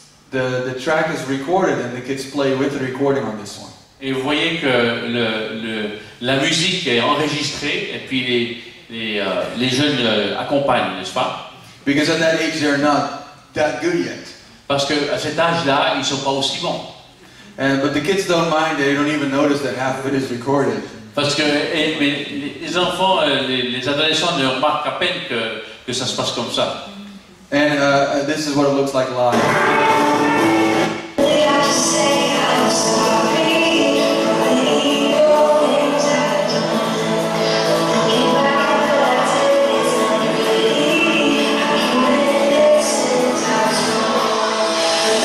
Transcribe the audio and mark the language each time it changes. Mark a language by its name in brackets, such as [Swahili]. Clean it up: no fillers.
[English] The track is recorded and the kids play with the recording on this one. [French] Et vous voyez que la musique est enregistrée et puis les jeunes accompagnent, n'est-ce pas? [English] Because at that age they're not that good yet. [French] Parce que à cet âge-là, ils sont pas aussi bons. [English] But the kids don't mind; they don't even notice that half of it is recorded. [French] Parce que les enfants, les adolescents ne remarquent à peine que ça se passe comme ça. [English] And this is what it looks like live. Say I'm sorry, I need your attention. I can't let this slip out of my mind.